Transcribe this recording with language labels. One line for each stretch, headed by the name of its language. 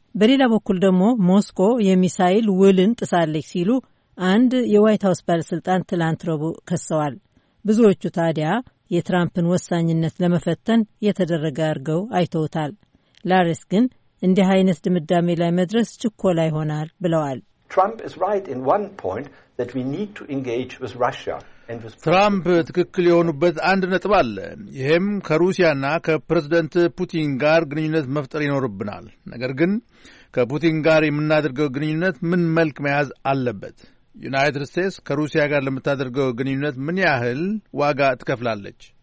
Amharic: በሌላ በኩል ደግሞ ሞስኮ የሚሳይል ውልን ጥሳለች ሲሉ አንድ የዋይት ሃውስ ባለስልጣን ትላንት ረቡዕ ከሰዋል። ብዙዎቹ ታዲያ የትራምፕን ወሳኝነት ለመፈተን የተደረገ አርገው አይተውታል። ላሪስ ግን እንዲህ አይነት ድምዳሜ ላይ መድረስ ችኮላ ይሆናል ብለዋል።
English: Trump is right in one point that we need to engage with Russia and with
Amharic: Trump ትክክል የሆኑበት አንድ ነጥብ አለ። ይሄም ከሩሲያና ከፕሬዝዳንት ፑቲን ጋር ግንኙነት መፍጠር ይኖርብናል። ነገር ግን ከፑቲን ጋር የምናደርገው ግንኙነት ምን መልክ መያዝ አለበት? ዩናይትድ ስቴትስ ከሩሲያ ጋር ለምታደርገው ግንኙነት ምን ያህል ዋጋ ትከፍላለች?